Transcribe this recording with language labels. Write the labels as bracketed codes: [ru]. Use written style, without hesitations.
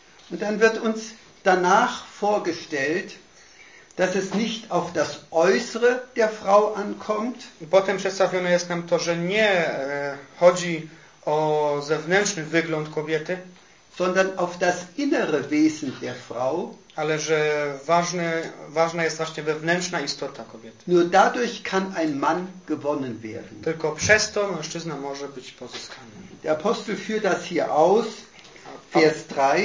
[de] Und dann wird uns danach vorgestellt, dass es nicht auf das Äußere der Frau ankommt. [pl] I potem przedstawione jest nam to, że nie chodzi o zewnętrzny wygląd kobiety, [de] sondern auf das innere Wesen der Frau, [pl] ale że ważna jest właśnie wewnętrzna istota kobiety. [de] Nur dadurch kann ein Mann gewonnen werden. [pl] Tylko przez to mężczyzna może być pozyskany. [de] Der Apostel führt das hier aus, Vers 3.